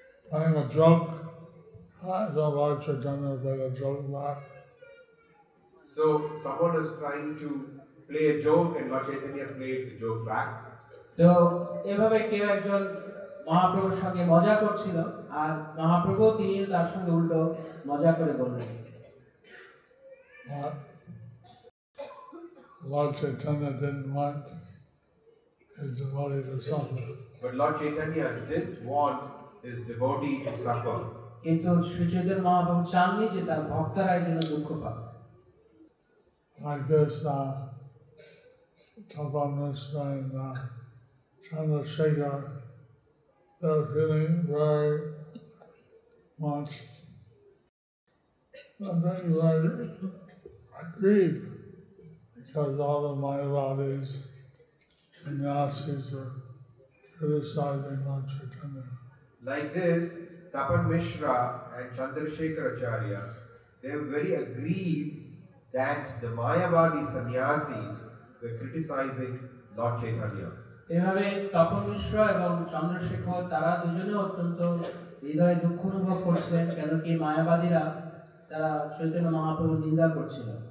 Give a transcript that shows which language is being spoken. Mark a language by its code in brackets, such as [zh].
[en] Playing a joke, as a Lord Chaitanya played a joke back. So someone is trying to play a joke and Lord Chaitanya played the joke back. [bn] So এভাবে কেউ একজন মহাপ্রভুর সঙ্গে মজা করছিল আর মহাপ্রভু তিনি তার সঙ্গে উল্টো মজা করে বললেন. [en] Lord Chaitanya didn't want his devotee to suffer. But Lord Chaitanya didn't want his devotee to suffer. [bn] কিন্তু সুচেতন মহাপ্রভু চাননি যে তার ভক্তরা যেন দুঃখ পাক. [en] Like this, Tavamistra and Chandrasekhar, they're feeling very much, very, very aggrieved because all the Mayavadis and Nyasis are criticizing Lord Chaitanya. Like this, Tapan Mishra and Chandrasekhar Acharya, they were very aggrieved that the Mayavadi sannyasis were criticizing Lord Chaitanya. [bn] এভাবে তপন মিশ্র এবং চন্দ্রশেখর তারা দুজনে অত্যন্ত হৃদয়ে দুঃখ অনুভব করছিলেন কেন কি মায়াবাদীরা তারা চৈতন্য মহাপ্রভু নিন্দা করছিল